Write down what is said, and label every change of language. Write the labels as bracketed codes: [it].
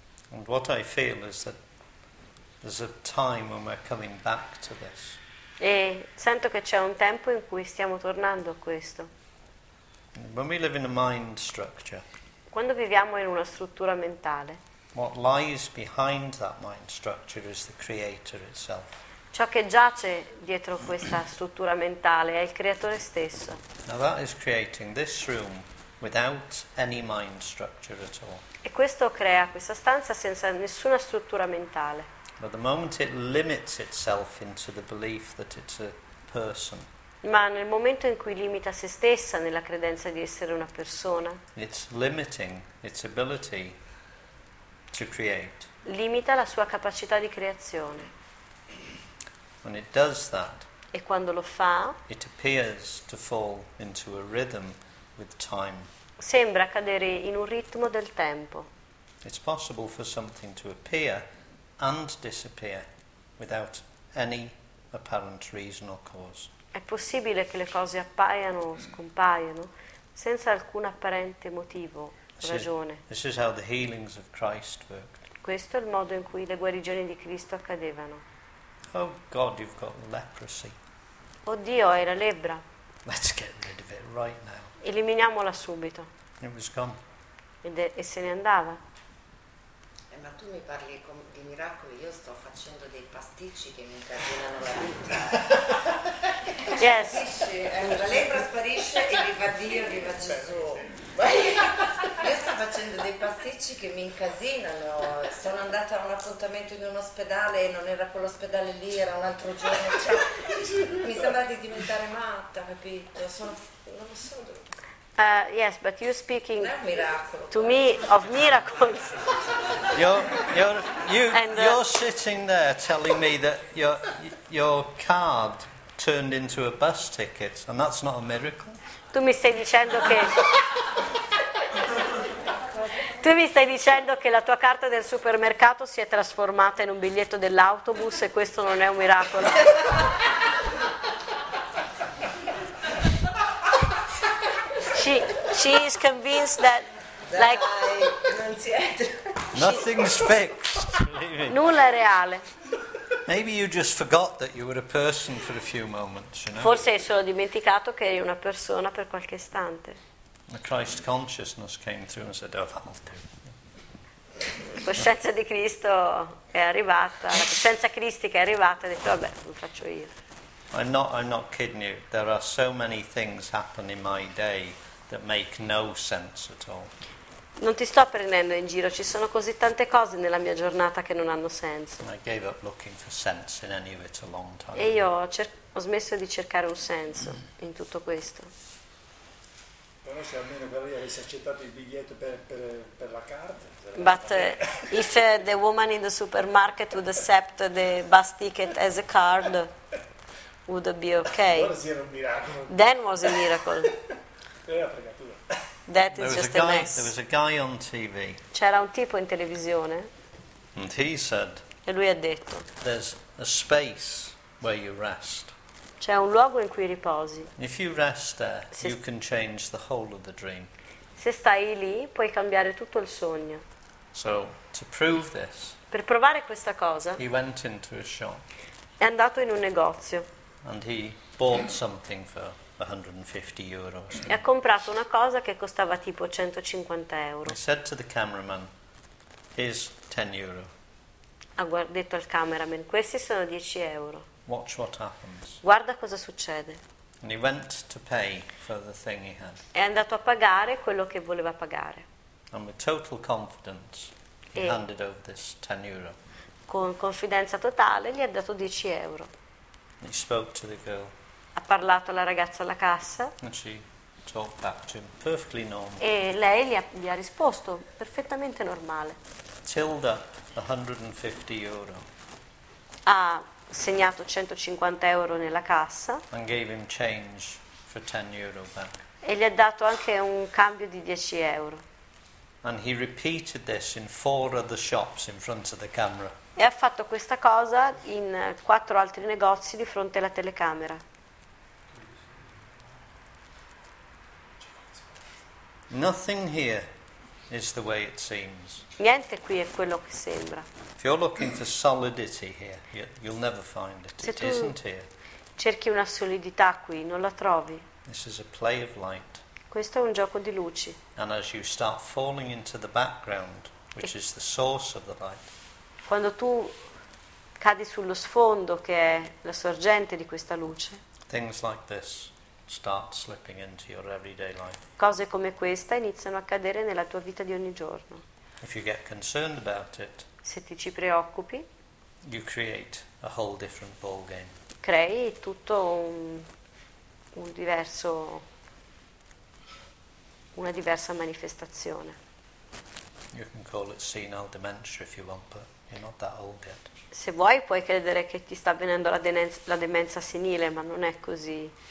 [en] And what I feel is that there's a time when we're coming back to this. [it] E sento che c'è un tempo in cui stiamo tornando a questo. [en] When we live in a mind structure. [it] Quando viviamo in una struttura mentale. [en] What lies behind that mind structure is the creator itself. [it] Ciò che giace dietro questa struttura mentale è il creatore stesso. [en] Now that is creating this room without any mind structure at all. [it] E questo crea questa stanza senza nessuna struttura mentale. [en] But the moment it limits itself into the belief that it's a person. [it] Ma nel momento in cui limita se stessa nella credenza di essere una persona. [en] It's limiting its ability to create. [it] Limita la sua capacità di creazione. [en] When it does that, [it] e quando lo fa, [en] it appears to fall into a rhythm with time. [it] Sembra cadere in un ritmo del tempo. [en] It's possible for something to appear and disappear without any apparent reason or cause. [it] È possibile che le cose appaiano o scompaiano senza alcun apparente motivo o ragione. [en] This is how the healings of Christ worked. [it] Questo è il modo in cui le guarigioni di Cristo accadevano. [en] Oh God, you've got leprosy. [it] Oh Dio, hai la lebbra. [en] Let's get rid of it right now. [it] Eliminiamola subito. [en] It was gone. [it] E se ne andava. Ma tu mi parli di miracoli, io sto facendo dei pasticci che mi incasinano la vita. [en] Yes. [it] La lebbra sparisce e viva Dio, viva Gesù. Io sto facendo dei pasticci che mi incasinano. Sono andata a un appuntamento in un ospedale e non era quell'ospedale lì, era un altro giorno. Cioè, mi sembra di diventare matta, capito? Non lo so dove. [en] Yes, but you're speaking [it] miracolo, [en] to me of miracles. You're sitting there telling me that your card turned into a bus ticket, and that's not a miracle. [it] Tu mi stai dicendo che la tua carta del supermercato si è trasformata in un biglietto dell'autobus e questo non è un miracolo. [en] She is convinced that, [it] dai, [en] like, [it] non siete. [en] Nothing's fixed. Believe me. [it] Nulla è reale. [en] Maybe you just forgot that you were a person for a few moments, you know. [it] Forse hai solo dimenticato che eri una persona per qualche istante. [en] The Christ consciousness came through and said, "Oh, that'll do." [it] Coscienza di Cristo è arrivata. La coscienza cristica è arrivata e ha detto, "Vabbè, lo faccio io." [en] I'm not kidding you. There are so many things happen in my day that make no sense at all. [it] Non ti sto prendendo in giro. Ci sono così tante cose nella mia giornata che non hanno senso. [en] I gave up looking for sense in any of it a long time. [it] E io ho smesso di cercare un senso in tutto questo. Però se almeno per lei avessi accettato il biglietto per la carta. [en] But if the woman in the supermarket would accept the bus ticket as a card, would it be okay? Then was a miracle. That is just a mess. There was a guy on TV. [it] C'era un tipo in televisione. [en] And he said. [it] E lui ha detto. [en] There's a space where you rest. [it] C'è un luogo in cui riposi. [en] If you rest there, you can change the whole of the dream. [it] Se stai lì, puoi cambiare tutto il sogno. [en] So to prove this. [it] Per provare questa cosa. [en] He went into a shop. [it] È andato in un negozio. [en] And he bought something for 150 euros. [it] E ha comprato una cosa che costava tipo 150 euro. [en] He said to the cameraman, "Here's 10 euro." [it] Ha detto al cameraman, "Questi sono 10 euro." [en] Watch what happens. [it] Guarda cosa succede. [en] And he went to pay for the thing he had. [it] È andato a pagare quello che voleva pagare. [en] And with total confidence, he handed over this 10 euro. [it] con confidenza totale, gli ha dato 10 euro. [en] He spoke to the girl. [it] Ha parlato alla ragazza alla cassa. [en] And she talked back to him, perfectly normal. [it] E lei gli ha risposto perfettamente normale. [en] Tilda, 150 euro. [it] Ha segnato 150 euro nella cassa. [en] And gave him change for 10 euro back. [it] E gli ha dato anche un cambio di 10 euro. [en] And he repeated this in four other shops in front of the camera. [it] E ha fatto questa cosa in quattro altri negozi di fronte alla telecamera. [en] Nothing here is the way it seems. [it] Niente qui è quello che sembra. [en] If you're looking for solidity here, you'll never find it. It isn't here. [it] Cerchi una solidità qui, non la trovi. [en] This is a play of light. [it] Questo è un gioco di luci. [en] And as you start falling into the background, which is the source of the light. [it] Quando tu cadi sullo sfondo che è la sorgente di questa luce. [en] Things like this start slipping into your everyday life. [it] Cose come questa iniziano a cadere nella tua vita di ogni giorno. [en] If you get concerned about it, [it] se ti ci preoccupi, [en] you create a whole different ball game. [it] Crei tutto un diverso, una diversa manifestazione. [en] You can call it senile dementia if you want, but you're not that old yet. [it] Se vuoi puoi credere che ti sta avvenendo la demenza senile, ma non è così.